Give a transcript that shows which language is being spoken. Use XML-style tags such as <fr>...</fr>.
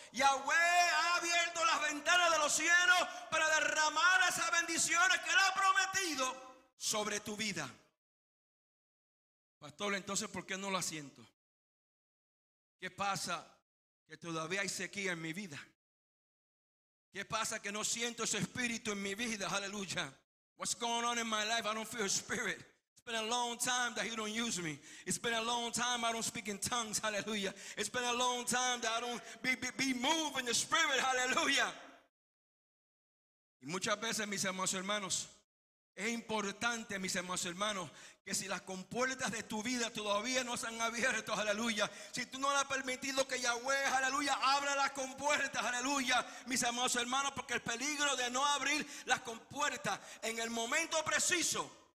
<es>Yahweh ha abierto las ventanas de los cielos para derramar esas bendiciones que Él ha prometido sobre tu vida. Pastor, entonces, ¿por qué no la siento? ¿Qué pasa que todavía hay sequía en mi vida? ¿Qué pasa que no siento ese espíritu en mi vida?</es> <en>Aleluya. What's going on in my life? I don't feel his spirit. It's been a long time that he don't use me. It's been a long time I don't speak in tongues. Aleluya. It's been a long time that I don't be moved in the spirit. Aleluya.</en> <es>Y muchas veces, mis hermanos, es importante, mis hermanos, que si las compuertas de tu vida todavía no se han abierto, aleluya, si tú no le has permitido que Yahweh, aleluya, abra las compuertas, aleluya, mis hermanos, porque el peligro de no abrir las compuertas en el momento preciso</es>